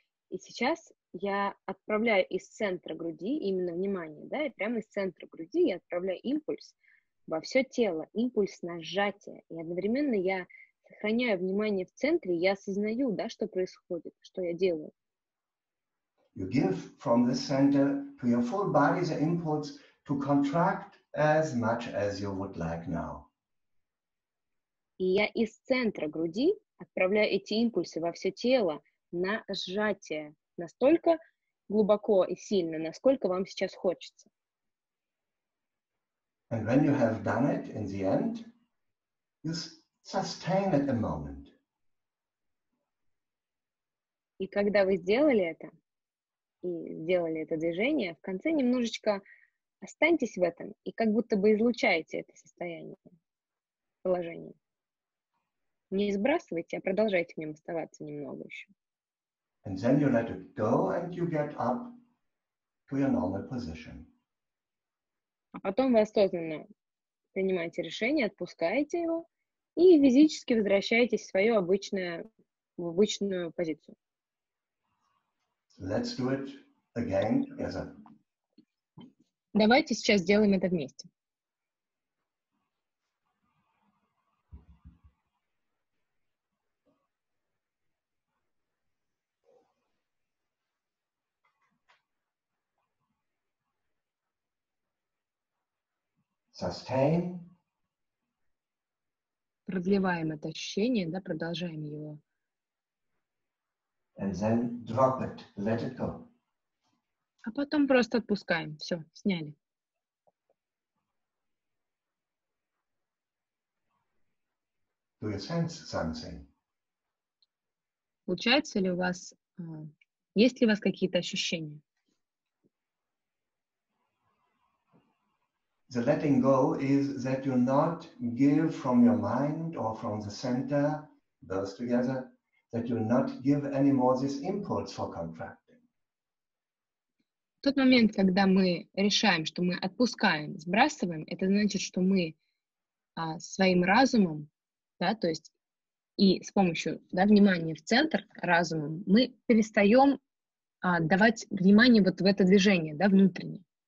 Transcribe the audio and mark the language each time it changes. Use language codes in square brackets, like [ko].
[ru] И сейчас я отправляю из центра груди именно внимание, да, и прямо из центра груди я отправляю импульс во все тело, импульс на сжатие. И одновременно я сохраняю внимание в центре, я осознаю, да, что происходит, что я делаю. [en] You give from the center to your full body the impulse to contract as much as you would like now. [ru] И я из центра груди отправляю эти импульсы во все тело на сжатие настолько глубоко и сильно, насколько вам сейчас хочется. [en] And when you have done it in the end, you sustain it a moment. [ru] И когда вы сделали это, и сделали это движение, в конце немножечко останьтесь в этом и как будто бы излучаете это состояние, положение. Не сбрасывайте, а продолжайте в нем оставаться немного еще. [en] And then you let it go and you get up to your normal position. [ru] А потом вы осознанно принимаете решение, отпускаете его и физически возвращаетесь в свою обычную, в обычную позицию. [en] Let's do it again together. [ru] Давайте сейчас сделаем это вместе. [en] Sustain. [ru] Продлеваем это ощущение, да, продолжаем его. [en] And then drop it, let it go. [ru] А потом просто отпускаем. Все, сняли. [en] Do you sense something? [ru] Получается ли у вас, есть ли у вас какие-то ощущения? [en] The letting go is that you not give from your mind or from the center, both together, that you not give any more this impulse for contracting. [ru] В тот момент, когда мы решаем, что мы отпускаем, сбрасываем, это значит, что мы своим разумом, да, то есть и с помощью, да, внимания в центр разумом, мы перестаем давать внимание вот в это движение, да, внутреннее.